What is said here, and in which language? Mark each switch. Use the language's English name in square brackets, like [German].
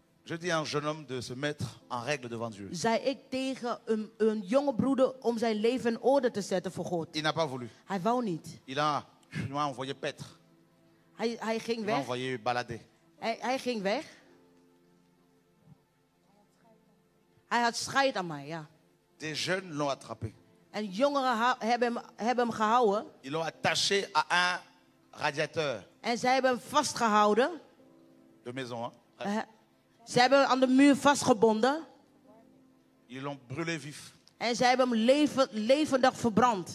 [French] Je dis à un jeune homme de se mettre en règle devant Dieu. [Dutch] Zei ik tegen een jonge broeder om zijn leven in orde te zetten voor God. [French] Il n'a pas voulu. [Dutch] Hij wou niet. [French] Il a envoyé paître. [Dutch] Hij ging weg. Hij ging weg. Hij had scheid aan mij, ja. [French] Des jeunes l'ont attrapé. [Dutch] En jongeren hebben hem gehouden. [French] Ils l'ont attaché à un radiateur. [Dutch] En ze hebben hem vastgehouden. [French] De maison, hein? [Dutch] Ze hebben hem aan de muur vastgebonden. [French] Ils l'ont brûlé vif. [Dutch] En ze hebben hem levendig verbrand.